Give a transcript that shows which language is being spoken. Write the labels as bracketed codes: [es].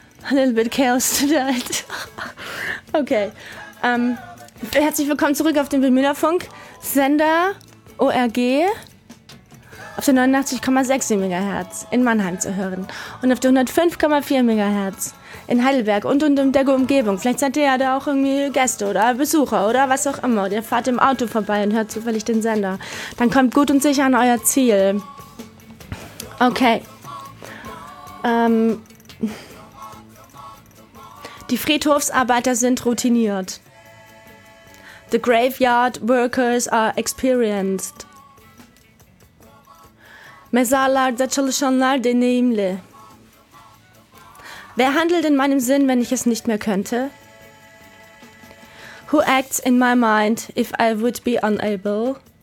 [en] A little bit chaos tonight. Okay. [de] Herzlich willkommen zurück auf den Wilmüller-Funk. Sender ORG. auf der 89,6 MHz in Mannheim zu hören und auf der 105,4 MHz in Heidelberg und in der Umgebung. Vielleicht seid ihr ja da auch irgendwie Gäste oder Besucher oder was auch immer. Ihr fahrt im Auto vorbei und hört zufällig den Sender. Dann kommt gut und sicher an euer Ziel. Okay. Die Friedhofsarbeiter sind routiniert. [en] The graveyard workers are experienced. [tr] Mezarlarda çalışanlar deneyimli. [de] Wer handelt in meinem Sinn, wenn ich es nicht mehr könnte? [en] Who acts in my mind if I would be unable?